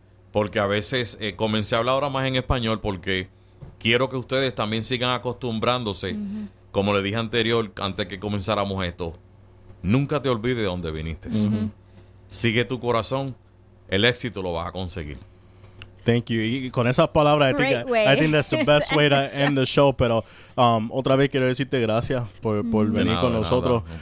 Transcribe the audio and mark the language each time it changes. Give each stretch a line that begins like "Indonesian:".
Spanish: Porque a veces, comencé a hablar ahora más en español, porque quiero que ustedes también sigan acostumbrándose, como le dije anterior, antes que comenzáramos esto, nunca te olvides de dónde viniste. Uh-huh. Sigue tu corazón, el éxito lo vas a conseguir.
English: Thank you.
Spanish: Y con esas palabras,
English: I think that's the best way to end the show.
Spanish: Pero otra vez quiero decirte gracias por venir con nosotros.